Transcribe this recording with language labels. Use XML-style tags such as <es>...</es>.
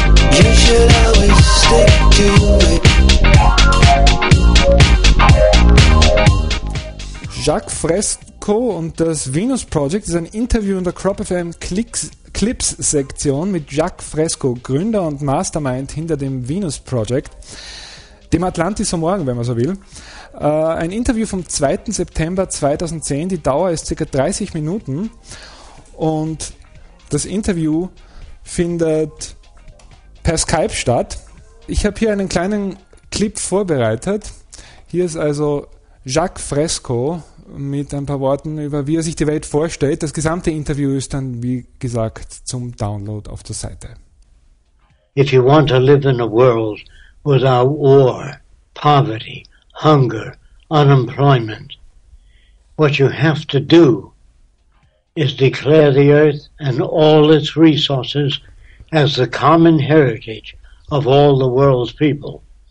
<en>You should always stick to it.</en> <de>Jacques Fresco und das Venus Project ist ein Interview in der Crop FM Clips-Sektion mit Jacques Fresco, Gründer und Mastermind hinter dem Venus Project, dem Atlantis vom Morgen, wenn man so will. Ein Interview vom 2. September 2010, die Dauer ist ca. 30 Minuten und das Interview findet per Skype statt. Ich habe hier einen kleinen Clip vorbereitet. Hier ist also Jacques Fresco mit ein paar Worten über, wie er sich die Welt vorstellt. Das gesamte Interview ist dann, wie gesagt, zum Download auf der Seite.</de> <en>If you want to live in a world without war, poverty, hunger, unemployment, what you have to do is declare the earth and all its resources as the common heritage of all the world's people.</en>